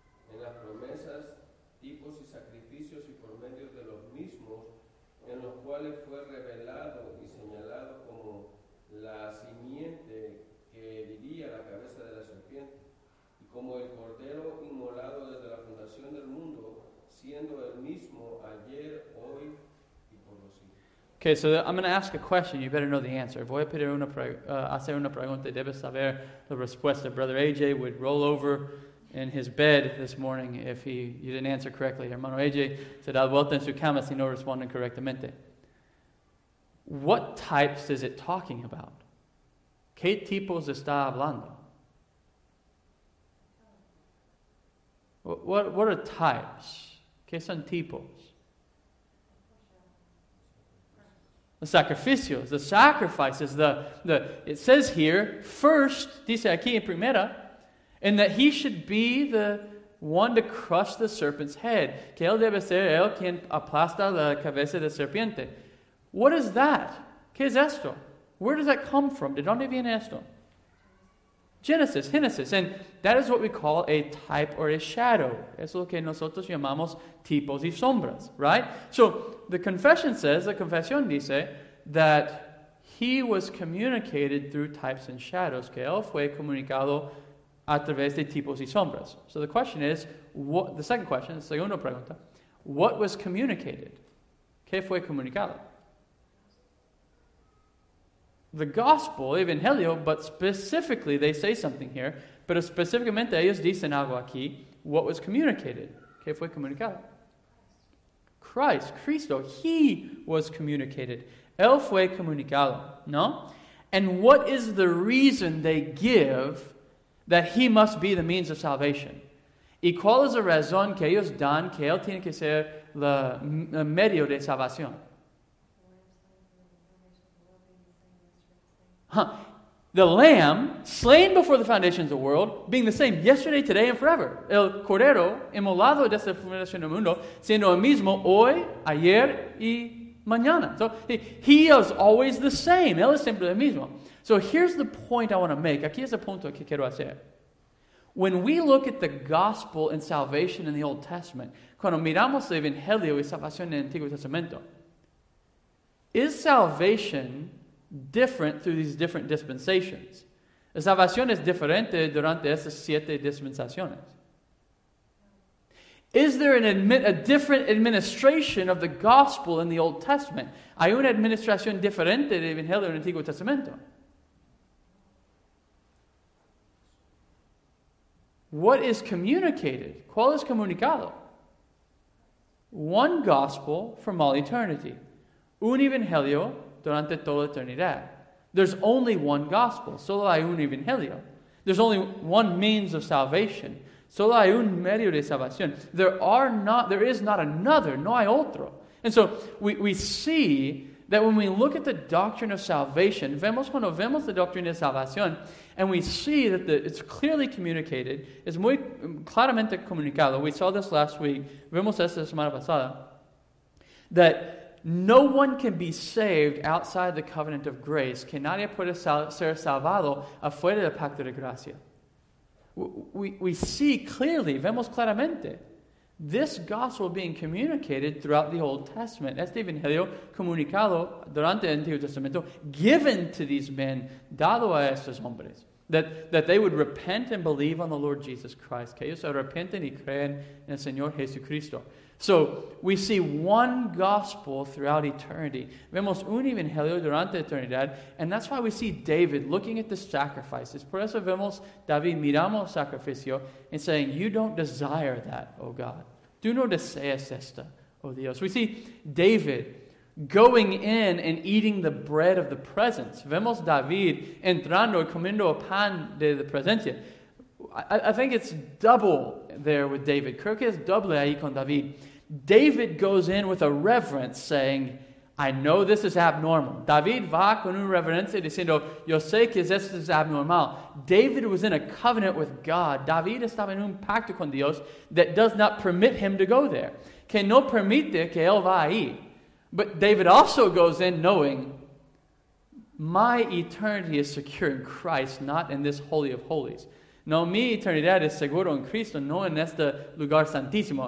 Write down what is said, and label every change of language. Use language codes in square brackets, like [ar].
[es] en las promesas, tipos y sacrificios y por medio de los mismos, en los cuales fue revelado y señalado como la simiente que heriría la cabeza de la serpiente, y como el cordero inmolado desde la fundación del mundo, siendo el mismo ayer, hoy y por los siglos. [en] Okay, so I'm going to ask a question. You better know the answer. [es] Voy a pedir una hacer una pregunta. Debes saber la respuesta. [en] Brother AJ would roll over in his bed this morning if you didn't answer correctly. [es] Hermano AJ se da vuelta en su cama si no responden correctamente. [en] What types is it talking about? [es] ¿Qué tipos está hablando? [en] What are types? [es] ¿Qué son tipos? [en] The sacrificios, the sacrifices, it says here, first, [es] dice aquí en primera, [en] in that he should be the one to crush the serpent's head. [es] Que él debe ser el quien aplasta la cabeza de serpiente. [en] What is that? [es] ¿Qué es esto? [en] Where does that come from? [es] ¿De dónde viene esto? [en] Genesis. And that is what we call a type or a shadow. [es] Es lo que nosotros llamamos tipos y sombras, right? [en] So, the confession dice, that he was communicated through types and shadows. [es] Que él fue comunicado a través de tipos y sombras. [en] So the question is, the second pregunta, what was communicated? [es] ¿Qué fue comunicado? [en] The gospel, evangelio, but specifically, they say something here, [es] pero específicamente ellos dicen algo aquí, [en] what was communicated? [es] ¿Qué fue comunicado? [en] Christ, Cristo, he was communicated. [es] Él fue comunicado, ¿no? [en] And what is the reason they give that he must be the means of salvation? [es] ¿Y cuál es la razón que ellos dan que él tiene que ser el medio de salvación? [en] The lamb, slain before the foundations of the world, being the same yesterday, today, and forever. [es] El cordero, inmolado desde la fundación del mundo, siendo el mismo hoy, ayer, y mañana. [en] So, he is always the same. [es] Él es siempre el mismo. [en] So here's the point I want to make. [es] Aquí es el punto que quiero hacer. [en] When we look at the gospel and salvation in the Old Testament, [es] cuando miramos el Evangelio y salvación en el Antiguo Testamento, [en] is salvation different through these different dispensations? [es] La salvación es diferente durante esas siete dispensaciones. [en] Is there a different administration of the gospel in the Old Testament? [es] ¿Hay una administración diferente del Evangelio en el Antiguo Testamento? [en] What is communicated? [es] ¿Cuál es comunicado? [en] One gospel from all eternity. [es] Un evangelio durante toda la eternidad. [en] There's only one gospel. [es] Solo hay un evangelio. [en] There's only one means of salvation. [es] Solo hay un medio de salvación. [en] There is not another. [es] No hay otro. [en] And so we see that when we look at the doctrine of salvation, [es] vemos cuando vemos la doctrina de salvación, [en] and we see that it's clearly communicated, [es] es muy claramente comunicado. [en] We saw this last week. [es] Vemos esto la semana pasada. [en] That no one can be saved outside the covenant of grace. [es] Que nadie puede ser salvado afuera del pacto de gracia. [en] We see clearly, [es] vemos claramente, [en] this gospel being communicated throughout the Old Testament. [es] Este evangelio comunicado durante el Antiguo Testamento, [en] given to these men, [es] dado a estos hombres, [en] that they would repent and believe on the Lord Jesus Christ. [es] Que ellos arrepienten y creen en el Señor Jesucristo. [en] So we see one gospel throughout eternity. [es] Vemos un evangelio durante eternidad, [en] and that's why we see David looking at the sacrifices. [es] Por eso vemos David miramos el sacrificio [en] and saying, "You don't desire that, O God. [es] Tú no deseas esta, O Dios." [en] We see David going in and eating the bread of the presence. [es] Vemos David entrando y comiendo el pan de la presencia. [en] I think it's double there with David. [es] Creo que es doble ahí con David. [en] David goes in with a reverence saying, I know this is abnormal. [es] David va con una reverencia diciendo, yo sé que esto es abnormal. [en] David was in a covenant with God. [es] David estaba en un pacto con Dios [en] that does not permit him to go there. [es] Que no permite que él va ahí. [en] But David also goes in knowing, my eternity is secure in Christ, not in this Holy of Holies. [es] No, mi eternidad es seguro en Cristo, no en este lugar santísimo.